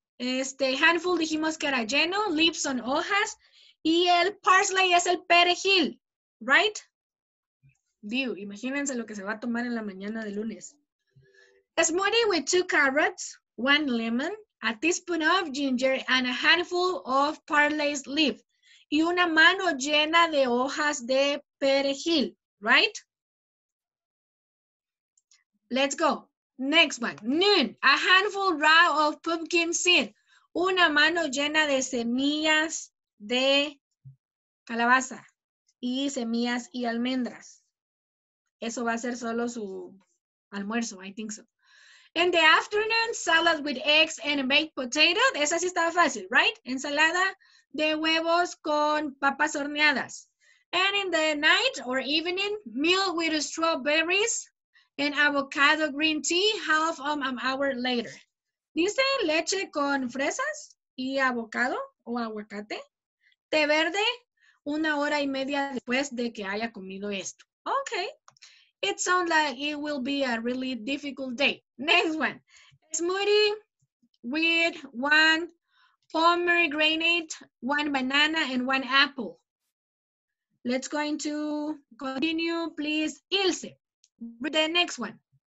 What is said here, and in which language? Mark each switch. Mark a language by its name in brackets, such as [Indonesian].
[Spanish] Handful dijimos que era lleno, leaves son hojas, y el parsley es el perejil, right? View, imagínense lo que se va a tomar en la mañana de lunes. [English] A smoothie with 2 carrots, 1 lemon, a teaspoon of ginger, and a handful of parsley leaf. [Spanish] Y una mano llena de hojas de perejil, right? [English] Let's go. Next one, noon, a handful raw of pumpkin seed. [Spanish] Una mano llena de semillas de calabaza y semillas y almendras. Eso va a ser solo su almuerzo, [English] I think so. In the afternoon, salad with eggs and baked potato. [Spanish] Esa sí estaba fácil, right? Ensalada de huevos con papas horneadas. [English] And in the night or evening, meal with strawberries and avocado green tea half an hour later. [Spanish] Dice leche con fresas y avocado o aguacate. Té verde una hora y media después de que haya comido esto. [English] Okay. It sounds like it will be a really difficult day. Next one. Smoothie with one pomegranate, one banana, and one apple. Let's going to continue, please, Ilse. Read the next one.